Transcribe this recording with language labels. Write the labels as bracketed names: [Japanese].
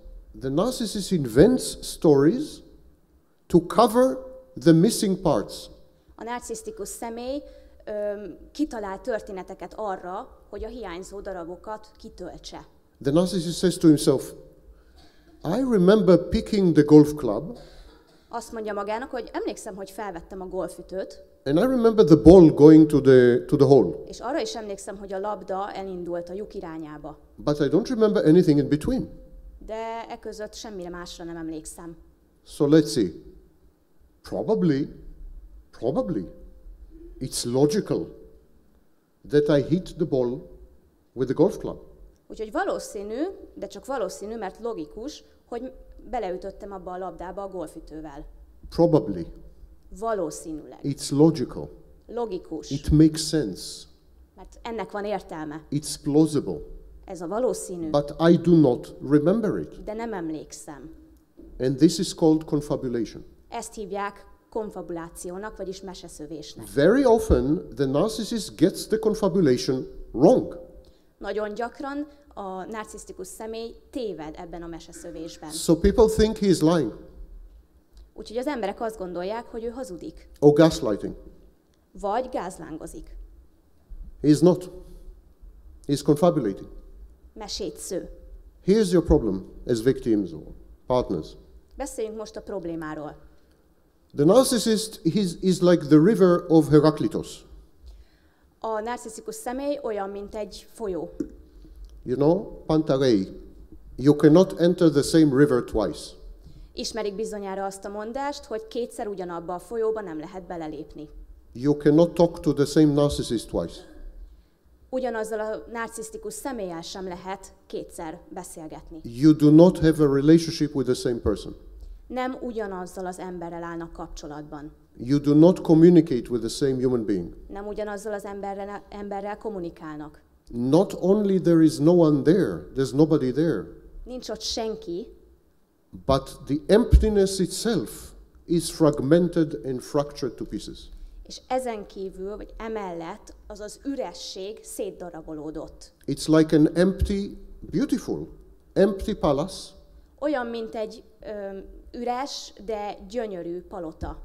[English] The narcissist invents stories to cover the missing parts. [Hungarian] A narcisztikus személy kitalál történeteket arra, hogy a hiányzó darabokat kitöltse. [English] The narcissist says to himself, I remember picking the golf club. [Hungarian] Azt mondja magának, hogy emlékszem, hogy felvettem a golfütőt. [English] And I remember the ball going to the hole. [Hungarian] És arra is emlékszem, hogy a labda elindult a lyuk irányába. [English] But I don't remember anything in between. [Hungarian] De e között semmire másra nem emlékszem. [English] So let's see. Probably, it's logical that I hit the ball with the golf club. [Hungarian] Úgyhogy valószínű, de csak valószínű, mert logikus, hogy beleütöttem abba a labdába a golfütővel. [English] Probably. [Hungarian] Valószínűleg. [English] It's logical. [Hungarian] Logikus. [English] It makes sense. [Hungarian] Mert ennek van értelme. [English] It's plausible. [Hungarian] Ez a valószínű. [English] But I do not remember it. [Hungarian] De nem emlékszem. [English] And this is called confabulation. [Hungarian] Ezt hívják konfabulációnak, vagyis meseszövésnek. [English] Very often the narcissist gets the confabulation wrong. [Hungarian] Nagyon gyakran a narcisztikus személy téved ebben a meseszövésben. [English] So people think he is lying. [Hungarian] Úgyhogy az emberek azt gondolják, hogy ő hazudik. [English] Or gaslighting. [Hungarian] Vagy gázlángozik. [English] He is not. He is confabulating. [Hungarian] Mesét sző. [English] Here's your problem as victims or partners. [Hungarian] Beszéljünk most a problémáról. [English] The narcissist is like the river of Heraklitos. [Hungarian] A narcisztikus személy olyan, mint egy folyó. [English] You know, Pantarei, you cannot enter the same river twice. [Hungarian] Ismerik bizonyára azt a mondást, hogy kétszer ugyanabba a folyóba nem lehet belelépni. [English] You cannot talk to the same narcissist twice. [Hungarian] Ugyanazzal a narcisztikus személlyel sem lehet kétszer beszélgetni. [English] You do not have a relationship with the same person. [Hungarian] Nem ugyanazzal az emberrel állnak kapcsolatban. [English] You do not communicate with the same human being. [Hungarian] Nem ugyanazzal az emberrel kommunikálnak. [English] Not only there is no one there, there's nobody there. [Hungarian] Nincs ott senki. [English] But the emptiness itself is fragmented and fractured to pieces. [Hungarian] És ezen kívül, vagy emellett, az az üresség szétdarabolódott. [English] It's like an empty, beautiful, empty palace. [Hungarian] Olyan, mint egy üres, de gyönyörű palota.